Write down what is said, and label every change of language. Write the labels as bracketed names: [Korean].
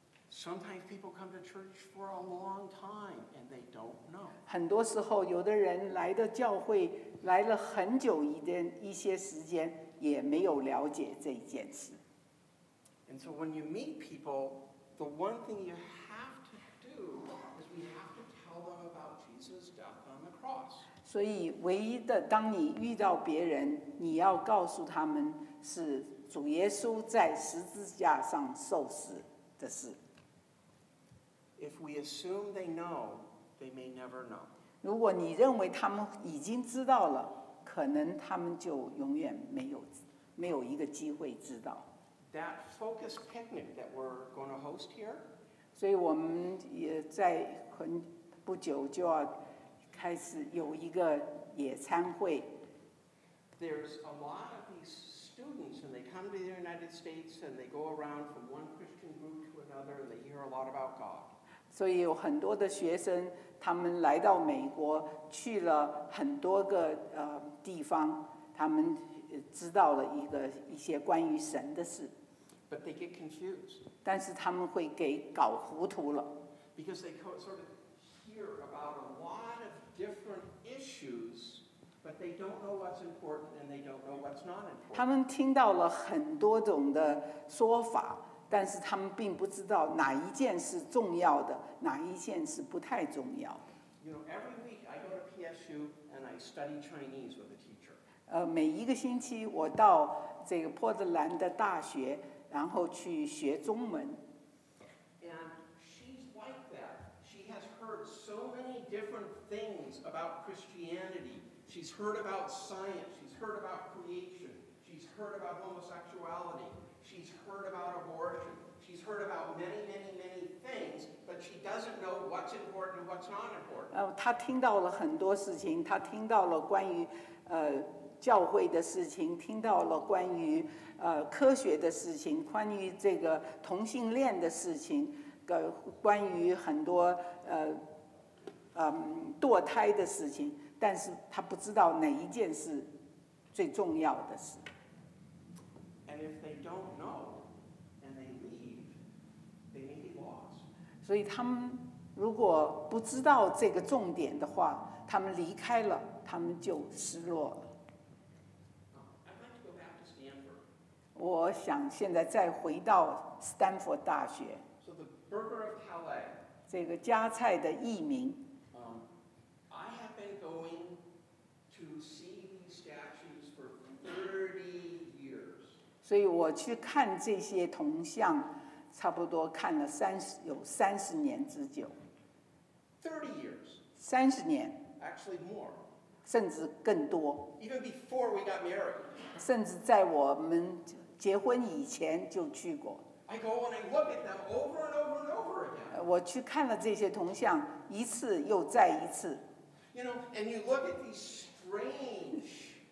[English] Sometimes people come to church for a long time and they don't know. [Chinese] 很多时候，有的人来到教会来了很久一些时间。也没有了解这件事。 [English] And so when you meet people, the one thing you have to do is we have to tell them about Jesus' death on the cross. [Chinese] 所以唯一的，当你遇到别人，你要告诉他们是主耶稣在十字架上受死的事。 [English] If we assume they know, they may never know. [Chinese] 如果你认为他们已经知道了。可能他们就永远没有一个机会知道。 [English] That focus picnic that we're going to host here. [Chinese] 所以我们也在很不久就要开始有一个野餐会。 [English] There's a lot of these students and they come to the United States and they go around from one Christian group to another and they hear a lot about God. [Chinese] 所以有很多的学生他们来到美国去了很多个地方他们知道了一些关于神的事 [English] But they get confused. [Chinese] 但是他们会给搞糊涂了 [English] Because they sort of hear about a lot of different issues but they don't know what's important and they don't know what's not important [Chinese] 他们听到了很多种的说法但是他们并不知道哪一件是重要的哪一件是不太重要的 [English] You know, every week I go to PSU and I study Chinese with a teacher. [Chinese] 每一个星期我到这个波特兰的大学然后去学中文 [English] And she's like that. She has heard so many different things about Christianity. She's heard about science. She's heard about creation. She's heard about homosexuality. She's heard about abortion. She's heard about many, many, many things, but she doesn't know what's important and what's not important. [Chinese] 她听到了很多事情，她听到了关于教会的事情，听到了关于科学的事情，关于这个同性恋的事情，关于很多堕胎的事情，但是她不知道哪一件是最重要的事。 [English] And if they don't know and they leave, they may be lost. [Chinese] 所以他们如果不知道这个重点的话，他们离开了，他们就失落了。 [English] I'd like to go back to Stanford. [Chinese] 我想现在再回到斯坦福大学。 [English] So the burger of Calais. [Chinese] 这个加菜的译名。 [English] I have been going to see these statues for 30 years. [Chinese] 所以我去看这些铜像，差不多看了三十年之久。 [English] 30 years. [Chinese] 三十年。 [English] Actually more. [Chinese] 甚至更多。 [English] Even before we got married. [Chinese] 甚至在我们结婚以前就去过。 [English] I go and I look at them over and over and over again. [Chinese] 我去看了这些铜像一次又再一次。 [English] You know, and you look at these strange.